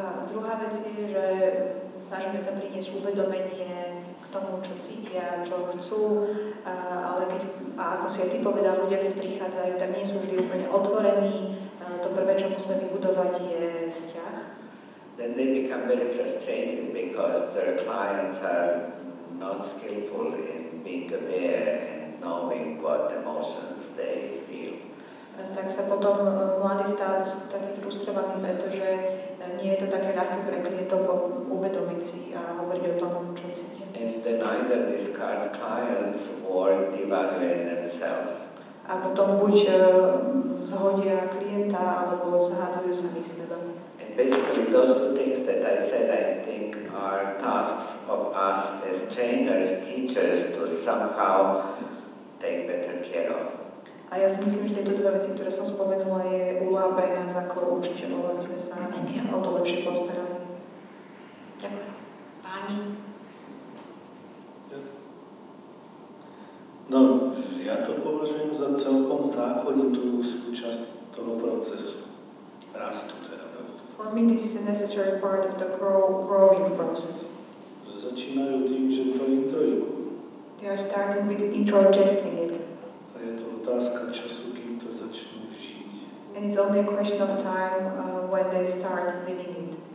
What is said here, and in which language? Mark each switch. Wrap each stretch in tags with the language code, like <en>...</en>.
<sk>Druhá vec je, že snažíme sa priniesť uvedomenie k tomu, čo cítia, čo chcú, ale keď, a ako si aj ty povedal, ľudia, keď prichádzajú, tak nie sú vždy úplne otvorení. To prvé, čo musíme vybudovať, je vzťah.</sk> <en>Then they become very frustrated because their clients are not skillful in being aware and knowing what emotions they feel.</en> <sk>Tak sa potom mladí stále sú takí frustrovaní, pretože nie je to také ľahké pre klientov uvedomiť si a hovoriť o tom, čo cítia.</sk> <en>And then either discard clients or devalue themselves.</en> <sk>A potom buď zhodia klienta, alebo zhadzujú samých seba.</sk> <en>And basically those two things that I said, I think, are tasks of us as trainers, teachers, to somehow take better care of.</en> <sk>A ja si myslím, že tieto dve veci, ktoré som spomenula, je úloha pre nás ako učiteľov, aby sme sa o to lepšie postarali. Ďakujem. Páni. No, ja to považujem za celkom zákonitú súčasť toho procesu. Rastu teda.</sk> <en>For me this is a necessary part of the growing process.</en> <sk>Začínajú tým, že to introjú.</sk> <en>They are starting with introjecting it.</en> <sk>A je to otázka času, kým to začnú žiť.</sk> <en>And it's only a question of time when they start living it.</en>